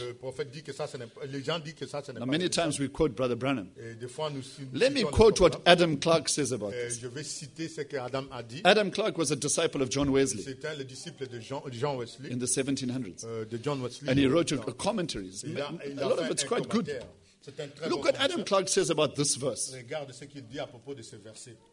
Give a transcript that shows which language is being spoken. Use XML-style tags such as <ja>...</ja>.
<fr>Le prophète dit que ça, ce n'est pas, les gens disent que ça, ce n'est</fr> <en>now</en> <fr>pas</fr> <en>many times we quote Brother Branham.</en> <fr>Et des fois nous,</fr> <en>let me quote what Adam Clark says about this.</en> <fr>Je vais citer ce que Adam a dit.</fr> <en>Adam Clark was a disciple of John Wesley.</en> <fr>C'était le disciple de John Wesley</fr> <en>in the 1700s.</en> <fr>De John Wesley,</fr> <en>and he wrote a commentary.</en> <fr>Il a</fr> <en>lot of it's quite good. Look</en> <fr>bon</fr> <en>what Adam Clark says about this verse.</en> <fr>Regarde ce qu'il dit à propos de ce verset.</fr>